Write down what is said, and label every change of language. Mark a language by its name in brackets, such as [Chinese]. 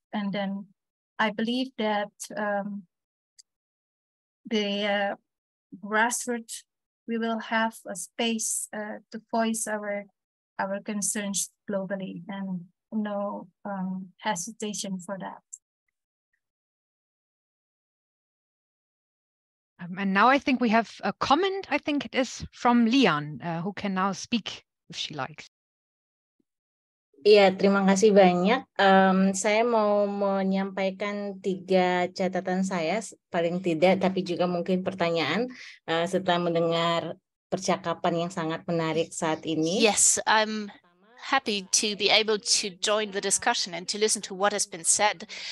[English] And then I believe that the grassroots, we will have a space to voice our concerns globally, and no hesitation for that. And now I think we have a comment, I think it is from Lian, who can now speak if she likes. [Indonesian] Iya, terima kasih banyak. Saya mau menyampaikan tiga catatan saya, paling tidak, tapi juga mungkin pertanyaan setelah mendengar percakapan yang sangat menarik saat ini. [English] Yes, I'm happy to be able to join the discussion and to listen to what has been said.